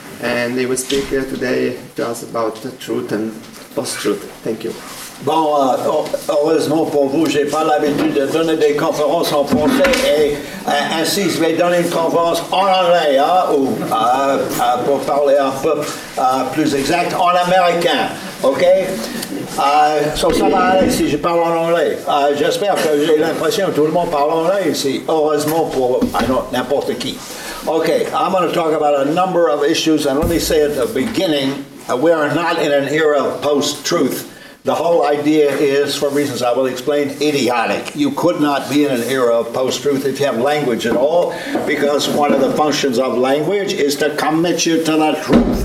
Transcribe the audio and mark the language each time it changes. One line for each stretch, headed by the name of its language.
English: And he will speak today to us about the truth and post-truth. Thank you.
French: Bon, heureusement pour vous, j'ai pas l'habitude de donner des conférences en français et ainsi je vais donner une conférence en anglais, hein, ou pour parler un peu plus exact, en américain, ok? Ça va aller si je parle en anglais. J'espère que j'ai l'impression que tout le monde parle en anglais ici, heureusement pour n'importe qui.
English: Ok, I'm going to talk about a number of issues and let me say at the beginning, we are not in an era of post-truth. The whole idea is, for reasons I will explain, idiotic. You could not be in an era of post-truth if you have language at all, because one of the functions of language is to commit you to the truth.